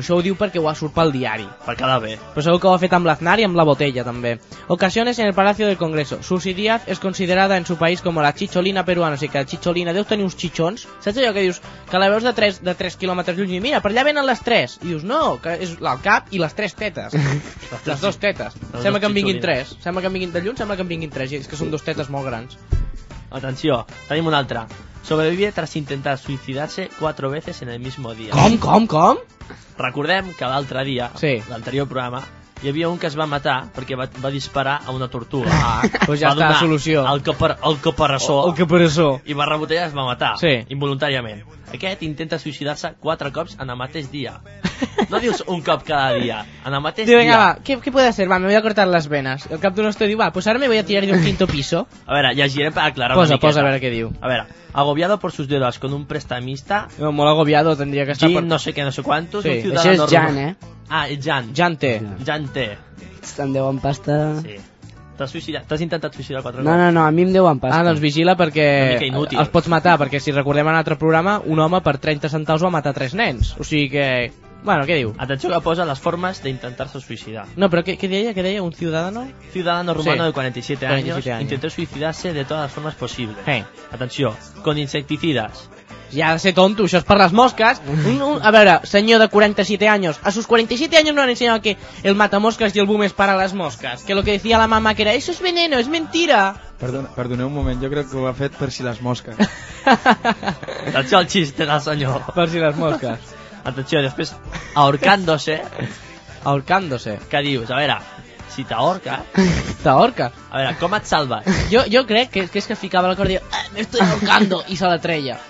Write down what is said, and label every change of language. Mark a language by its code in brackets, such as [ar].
[ca] Això ho diu perquè ho ha surt pel diari. Per cada bé. Però segur que ho ha fet amb l'Aznar i amb la botella, també. [es] Ocasiones en el Palacio del Congreso. Susi Díaz es considerada en su país como la chicholina peruana. [ca] O sigui que la chicholina... Deus tenir uns chichons. Saps allò que dius? Que la veus de 3 quilòmetres lluny i mira, per allà venen les 3. I dius, no, que és el cap i les 3 tetes. Les 2 tetes. Sembla que en vinguin 3. Sembla que en vinguin de lluny, sembla que en vinguin 3. I és que són 2 tetes molt grans. Atenció, tenim una altra. [es] Sobrevive tras intentar suicidarse 4 veces en el mismo día. [ca] Com? Recordem que l'altre dia, sí, l'anterior programa, hi havia un que es va matar perquè va disparar a una tortuga. Ah, doncs ja està, la solució. El caparassó. I va rebotellar i es va matar, sí, involuntàriament. Aquest intenta suïcidar-se 4 cops en el mateix dia. No dius un cop cada dia, en el mateix dia. [es] Va, què puede hacer? Va, me voy a cortar las venas. [ca] El cap d'un hoste diu, [es] va, pues ahora me voy a tirar de un quinto piso. [ca] A veure, llegirem per aclarar una miqueta. Posa, a veure què diu. A veure, [es] agobiado por sus deudas con un prestamista. No, molt agobiado, tendría que estar [ca] Jean, por... no sé què, no sé quantos. Sí, això és Jan, eh? Ah, Jan. Jan té. Te'n deuen pasta. Sí. T'has intentat suïcidar 4 cops? No, a mi em deuen pasta. Ah, doncs vigila perquè... Una mica inútil. Els pots matar, perquè si recordem en un altre programa, un home per 30 centaus va matar 3 nens. O sigui que... Bueno, què diu? Atenció que posa les formes d'intentar-se suicidar. No, però què deia? Què deia? Un ciudadano? [es] Ciudadano rumano, sí, de 47 años. Intentó suicidarse de todas las formas posibles. Hey. Atenció, con insecticidas. [ca] Ja ha de ser tonto, això és per les mosques. A veure, senyor de 47 anys, a sus 47 anys no han ensenyat que el matamosques i el boom és per a les mosques. [es] Que lo que decía la mamá que era, eso es veneno, es mentira. [ca] Perdoneu un moment, jo crec que ho ha fet per si les mosques. Atenció al xiste del senyor. Per si les mosques. Atenció, després, ahorcándose. Ahorcándose. Què dius? A veure, si t'ahorca... T'ahorca? A veure, com et salves? Jo crec que és que ficava la corda i [es] me estoy ahorcando, [ca] i se la treia.